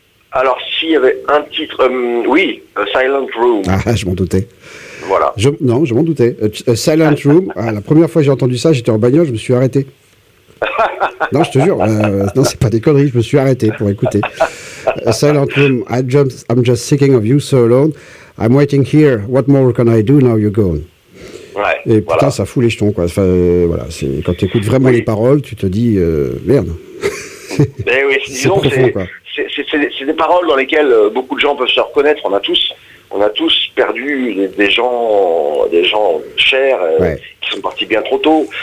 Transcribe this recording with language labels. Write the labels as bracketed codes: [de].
[fr] Alors, s'il y avait un titre, oui, A Silent Room. Ah, je m'en doutais. Voilà. Je m'en doutais. A Silent Room, la première fois que j'ai entendu ça, j'étais en bagnole, je me suis arrêté. Non, je te jure, non, c'est pas des conneries, je me suis arrêté pour écouter. [en] A Silent Room, I'm just thinking of you so alone. I'm waiting here, what more can I do now you're gone? [fr] Ouais, et putain, voilà. Ça fout les jetons, quoi. Enfin, voilà, c'est quand tu écoutes vraiment les paroles, tu te dis merde. Mais oui, c'est des paroles dans lesquelles beaucoup de gens peuvent se reconnaître. On a tous perdu des gens chers qui sont partis bien trop tôt.